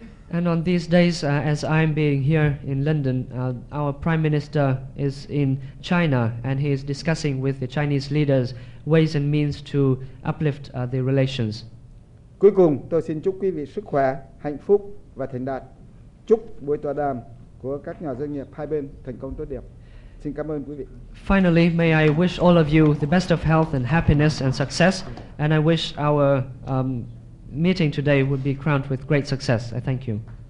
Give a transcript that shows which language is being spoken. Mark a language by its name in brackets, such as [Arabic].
[English] And on these days, as I'm being here in London, our Prime Minister is in China, and he is discussing with the Chinese leaders ways and means to uplift the relations. [Vietnamese] Cuối cùng, tôi xin chúc quý vị sức khỏe, hạnh phúc và thành đạt. Chúc buổi tọa đàm của các nhà doanh nghiệp hai bên thành công tốt đẹp. Xin cảm ơn quý vị. [English] Finally, may I wish all of you the best of health and happiness and success, and I wish our meeting today would be crowned with great success. I thank you.